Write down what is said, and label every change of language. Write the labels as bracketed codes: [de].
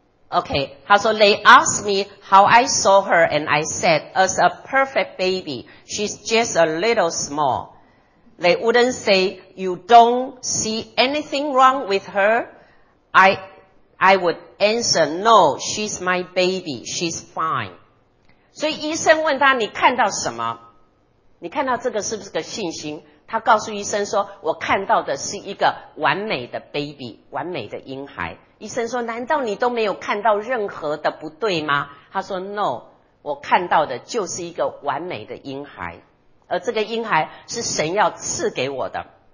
[en] OK， [zh] 他说 [en] They asked me how I saw her and I said as a perfect baby she's just a little small. They wouldn't say you don't see anything wrong with her. I would answer no, she's my baby, she's fine. [zh] 所以医生问他你看到什么，你看到这个是不是个信心，他告诉医生说我看到的是一个完美的 baby， 完美的婴孩。医生说难道你都没有看到任何的不对吗？他说 No， 我看到的就是一个完美的婴孩，而这个婴孩是神要赐给我的。